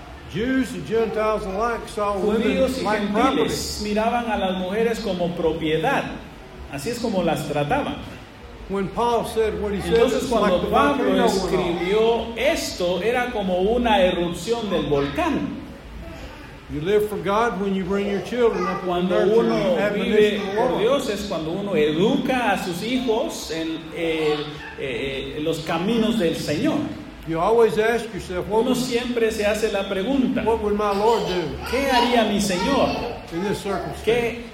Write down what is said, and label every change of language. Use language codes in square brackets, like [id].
[en] Jews and Gentiles alike saw women like property. [es] Miraban a las mujeres como propiedad. Así es como las trataban. [en] When Paul said what he [es] entonces, [en] said, [es] cuando [en] like [es] Pablo [en] the [es] escribió esto, era como una erupción del volcán. [en] You live for God when you bring your children up. [es] Cuando uno vive por Dios es cuando uno educa a sus hijos en los caminos del Señor. [en] You always ask yourself, what [es] uno siempre se hace la pregunta, [en] what would my Lord do? [es] ¿Qué haría mi Señor? [en] In this circumstance.